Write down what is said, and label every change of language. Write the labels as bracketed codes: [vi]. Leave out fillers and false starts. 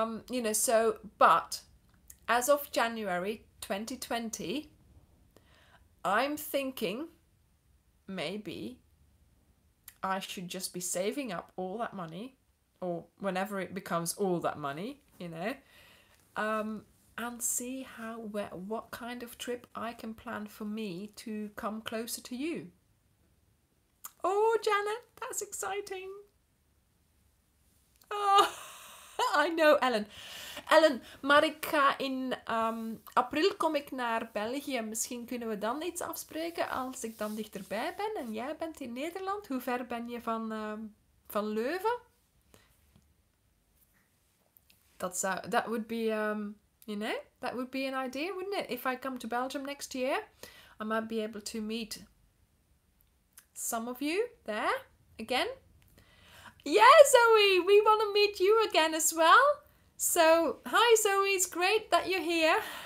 [en] You know, so, but as of January 2020, I'm thinking maybe I should just be saving up all that money, or whenever it becomes all that money, you know, and see how, where, what kind of trip I can plan for me to come closer to you. Oh, Janet, that's exciting. Oh, I know, Ellen. [nl] Ellen, maar ik ga in april kom ik naar België. Misschien kunnen we dan iets afspreken als ik dan dichterbij ben en jij bent in Nederland. Hoe ver ben je van Leuven? [en] That would be, you know, that would be an idea, wouldn't it? If I come to Belgium next year, I might be able to meet some of you there again. Yeah, Zoe, we want to meet you again as well. So, hi, Zoe, it's great that you're here.